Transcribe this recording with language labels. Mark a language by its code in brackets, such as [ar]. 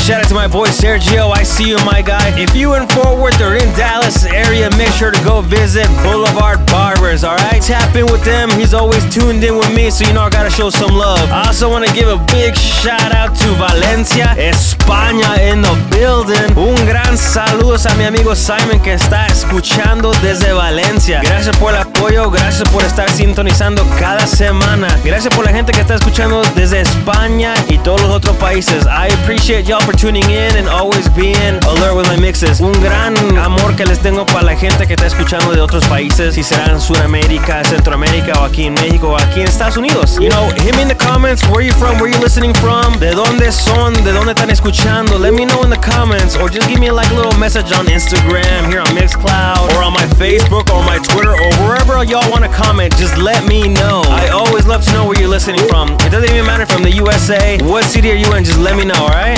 [en] Shout out to my boy Sergio. I see you, my guy. If you in Fort Worth or in Dallas area, make sure to go visit Boulevard Barbers, all right? Tap in with them. He's always tuned in with me, so you know I gotta show some love. I also want to give a big shout out to Valencia, España in the building. [es] Un gran saludos a mi amigo Simon que está escuchando desde Valencia. Gracias por el apoyo, gracias por estar sintonizando cada semana. Gracias por la gente que está escuchando desde España y todos los otros países. [en] I appreciate y'all for tuning in and always being alert with my mixes. [es] Un gran amor que les tengo para la gente que está escuchando de otros países, si serán Sudamérica, Centroamérica o aquí en México o aquí en Estados Unidos. [en] You know, hit me in the comments, where you from, where you listening from, [es] de dónde son, de dónde están escuchando. [en] Let me know in the comments or just give me a like little message on Instagram, here on Mixcloud, or on my Facebook, or my Twitter, or wherever y'all want to comment, just let me know. I always love to know where you're listening from. It doesn't even matter if I'm the USA, what city are you in, just let me know, alright?